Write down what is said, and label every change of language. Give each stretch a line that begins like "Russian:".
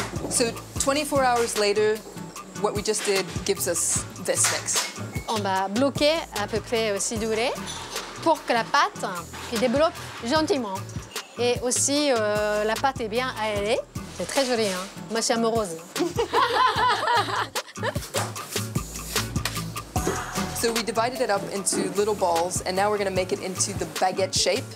English: So 24 hours later, what we just did gives us this mix.
French: On va bloquer à peu près aussi duré pour que la pâte se développe gentiment. Et aussi, la pâte est bien aérée. C'est très joli, hein? Moi, je suis amoureuse.
English: So we divided it up into little balls, and now we're going to make it into the baguette shape.